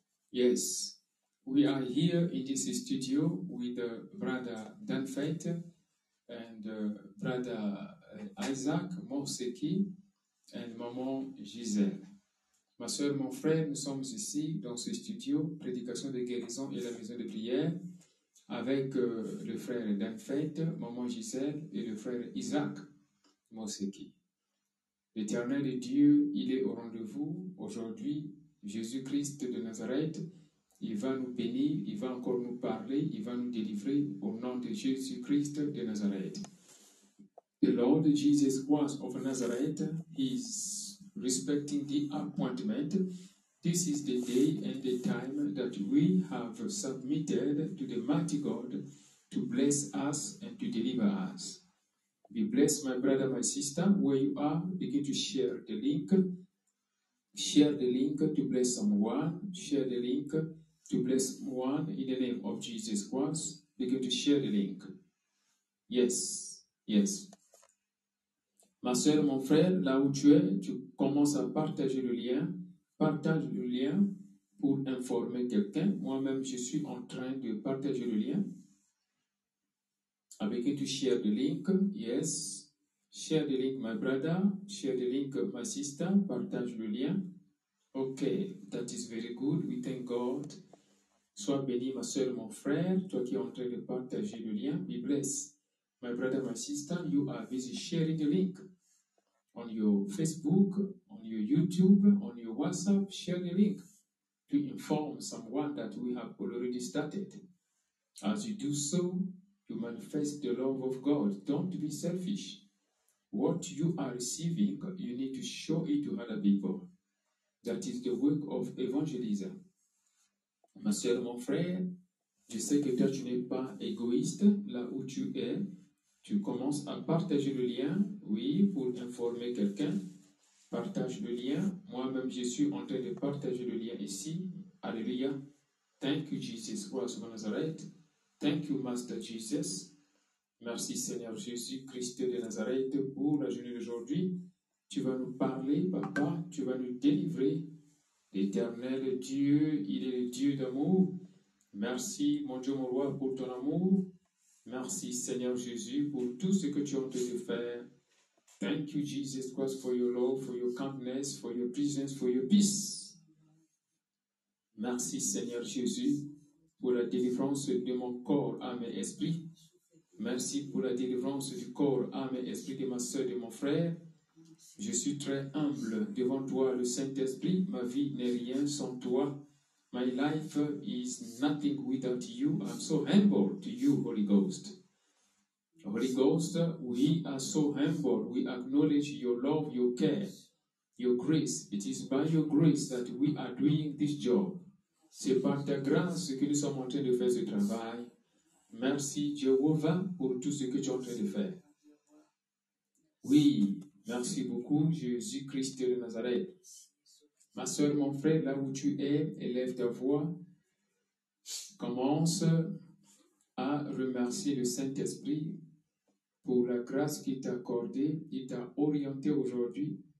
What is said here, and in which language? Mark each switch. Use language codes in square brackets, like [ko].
[en] Yes, we are here in this studio with Brother Danfait and Brother Isaac Morseki and Maman Giselle. [fr] Ma soeur, mon frère, nous sommes ici dans ce studio, prédication de guérison et la maison de prière. Avec le frère Danfait, Maman Giselle, et le frère Isaac Morseki. L'Éternel Dieu, il est au rendez-vous aujourd'hui. Jésus-Christ de Nazareth, il va nous bénir, il va encore nous parler, il va nous délivrer au nom de Jésus-Christ de Nazareth. [en] The Lord Jesus Christ of Nazareth is respecting the appointment. This is the day and the time that we have submitted to the mighty God to bless us and to deliver us. Be blessed, my brother, my sister, where you are. Begin to share the link. Share the link to bless someone. Share the link to bless one in the name of Jesus Christ. Begin to share the link. Yes, yes. [fr] Ma soeur, mon frère, là où tu es, tu commences à partager le lien. Partage le lien pour informer quelqu'un. Moi-même, je suis en train de partager le lien. Avec qui tu [en] share the link? Yes. Share the link, my brother. Share the link, my sister. [fr] Partage le lien. [en] OK, that is very good. We thank God. [fr] Sois béni, ma soeur, mon frère. Toi qui es en train de partager le lien, [en] be blessed. My brother, my sister, you are busy sharing the link on your Facebook, on your YouTube, on your WhatsApp, share the link to inform someone that we have already started. As you do so, you manifest the love of God. Don't be selfish. What you are receiving, you need to show it to other people. That is the work of evangelism. [fr] Ma soeur, mon frère, je sais que toi, tu n'es pas égoïste là où tu es. Tu commences à partager le lien, oui, pour informer quelqu'un. Partage le lien. Moi-même, je suis en train de partager le lien ici. Alléluia. [en] Thank you, Jesus Christ of Nazareth. Thank you, Master Jesus. [fr] Merci, Seigneur Jésus Christ de Nazareth, pour la journée d'aujourd'hui. Tu vas nous parler, Papa. Tu vas nous délivrer. L'Éternel Dieu, il est le Dieu d'amour. Merci, mon Dieu, mon roi, pour ton amour. Merci, Seigneur Jésus, pour tout ce que tu as pu faire. [en] Thank you, Jesus Christ, for your love, for your kindness, for your presence, for your peace. [fr] Merci, Seigneur Jésus, pour la délivrance de mon corps, âme et esprit. Merci pour la délivrance du corps, âme et esprit de ma soeur et de mon frère. Je suis très humble devant toi, le Saint-Esprit. Ma vie n'est rien sans toi. [en] My life is nothing without you. I'm so humble to you, Holy Ghost. Holy Ghost, we are so humble. We acknowledge your love, your care, your grace. It is by your grace that we are doing this job. [fr] C'est par ta grâce que nous sommes en train de faire ce travail. Merci, Jéhovah, pour tout ce que tu es en train de faire. Oui, merci beaucoup, Jésus-Christ de Nazareth. Ma soeur, mon frère, là où tu es, élève ta voix, commence à remercier le Saint-Esprit pour la grâce qu'il t'a accordée, il t'a orienté aujourd'hui.